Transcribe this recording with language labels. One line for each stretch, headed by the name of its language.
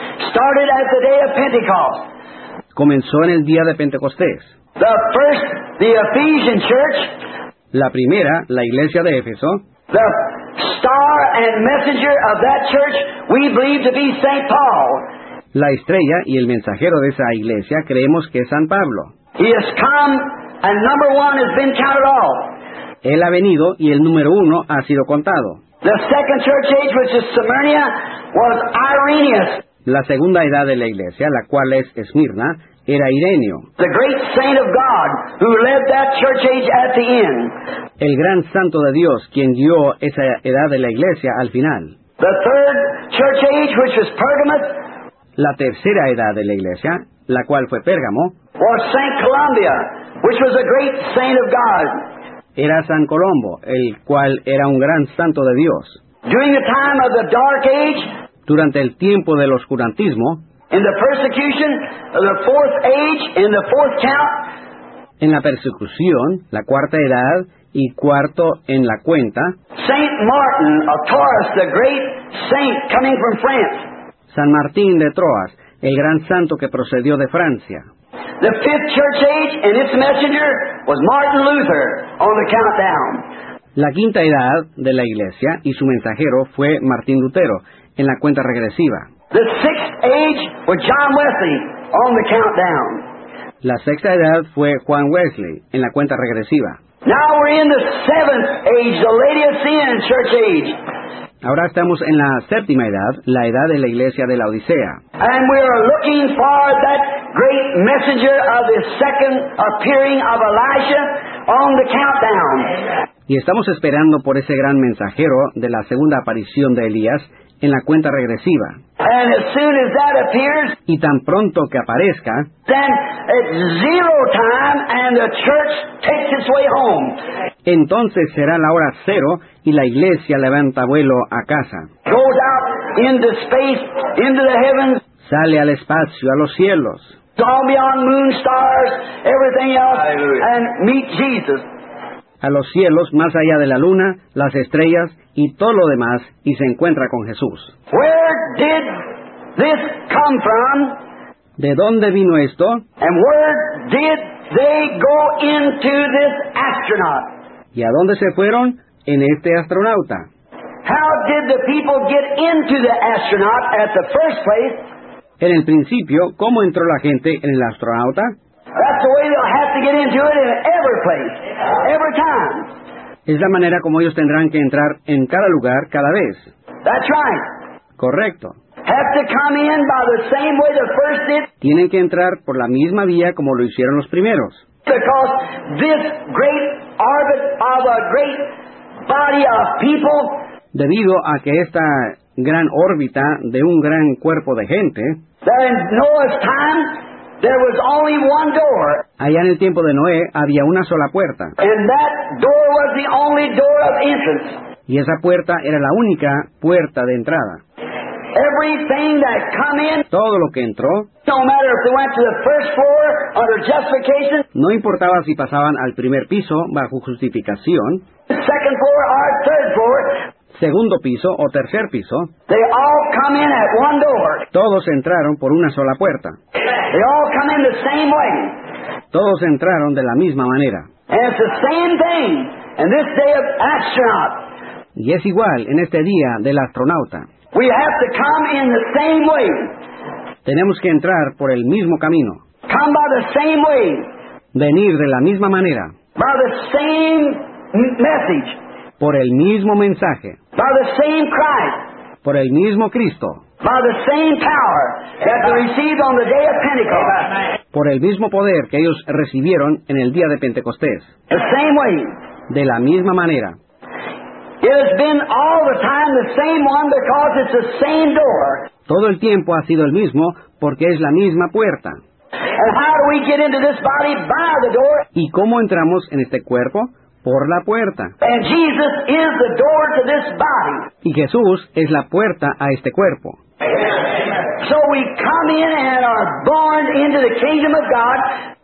English: Started at the day of Pentecost.
Spanish: Comenzó en el día de Pentecostés.
English: The first, the Ephesian church.
Spanish: La primera, la iglesia de Éfeso.
English: The star and messenger of that church we believe to be Saint Paul.
Spanish: La estrella y el mensajero de esa iglesia creemos que es San Pablo.
English: He has come and number one has been counted off.
Spanish: Él ha venido y el número uno ha sido contado.
English: The second church age, which is Smyrna, was Irenaeus.
Spanish: La segunda edad de la iglesia, la cual es Esmirna, era Irenio.
English: The great saint of God who led that church age at the end.
Spanish: El gran santo de Dios quien guió esa edad de la iglesia al final.
English: The third church age, which was Pergamos.
Spanish: La tercera edad de la iglesia, la cual fue Pérgamo,
English: was Saint Columba, which was a great saint of God.
Spanish: Era San Colombo, el cual era un gran santo de Dios.
English: During the time of the dark age,
Spanish: durante el tiempo del oscurantismo,
English: in the persecution of the fourth age, in the fourth count,
Spanish: en la persecución, la cuarta edad y cuarto en la cuenta,
English: Saint Martin of Tours, the great saint coming from France.
Spanish: San Martín de Troas, el gran santo que procedió de Francia.
English: The fifth church age and its messenger was Martin Luther on the countdown.
Spanish: La quinta edad de la iglesia y su mensajero fue Martín Lutero en la cuenta regresiva.
English: The sixth age was John Wesley on the countdown.
Spanish: La sexta edad fue Juan Wesley en la cuenta regresiva.
English: Now we're in the seventh age, the Laodicean church age.
Spanish: Ahora estamos en la séptima edad, la edad de la iglesia de la Odisea.
English: And we are looking for that great messenger of the second appearing of Elijah on the countdown.
Spanish: Y estamos esperando por ese gran mensajero de la segunda aparición de Elías en la cuenta regresiva.
English: And as soon as that appears,
Spanish: y tan pronto que aparezca,
English: then it's zero time and the church takes its way home.
Spanish: Entonces será la hora cero y la iglesia levanta vuelo a casa.
English: Goes out into space, into the heavens.
Spanish: Sale al espacio, a los cielos.
English: Gone beyond moon, stars, everything else. Hallelujah. And meet Jesus.
Spanish: A los cielos, más allá de la luna, las estrellas y todo lo demás, y se encuentra con Jesús.
English: Where did this come from?
Spanish: ¿De dónde vino esto?
English: And where did they go into this astronaut?
Spanish: ¿Y a dónde se fueron? En este astronauta.
English: How did the people get into the astronaut at the first place?
Spanish: En el principio, ¿cómo entró la gente en el astronauta?
English: That's the way they'll have to get into it in every place, every time.
Spanish: Es la manera como ellos tendrán que entrar en cada lugar, cada vez.
English: That's right.
Spanish: Correcto.
English: Have to come in by the same way the first did.
Spanish: Tienen que entrar por la misma vía como lo hicieron los primeros.
English: Because this great orbit of a great body of people,
Spanish: debido a que esta gran órbita de un gran cuerpo de gente,
English: that in Noah's time, There was only one door.
Spanish: Allá en el tiempo de Noé había una sola puerta.
English: And that door was the only door of entrance.
Spanish: Y esa puerta era la única puerta de entrada.
English: Everything that come in,
Spanish: todo lo que entró,
English: no matter if they went to the first floor under justification,
Spanish: no importaba si pasaban al primer piso bajo justificación,
English: second floor or third floor,
Spanish: segundo piso o tercer piso,
English: they all come in at one door.
Spanish: Todos entraron por una sola puerta.
English: They all come in the same way.
Spanish: Todos entraron de la misma manera.
English: And it's the same thing in this day of astronaut.
Spanish: Y es igual en este día del astronauta.
English: We have to come in the same way.
Spanish: Tenemos que entrar por el mismo camino.
English: Come by the same way.
Spanish: Venir de la misma manera.
English: By the same message.
Spanish: Por el mismo mensaje.
English: By the same Christ.
Spanish: Por el mismo Cristo.
English: By the same power that they received on the day of Pentecost.
Spanish: Por el mismo poder que ellos recibieron en el día de Pentecostés.
English: The same way.
Spanish: De la misma manera.
English: It has been all the time the same one because it's the same door.
Spanish: Todo el tiempo ha sido el mismo porque es la misma puerta.
English: And how do we get into this body? By the door.
Spanish: ¿Y cómo entramos en este cuerpo? Por la puerta.
English: And Jesus is the door to this body.
Spanish: Y Jesús es la puerta a este cuerpo.
English: So we come in and are born into the kingdom of God.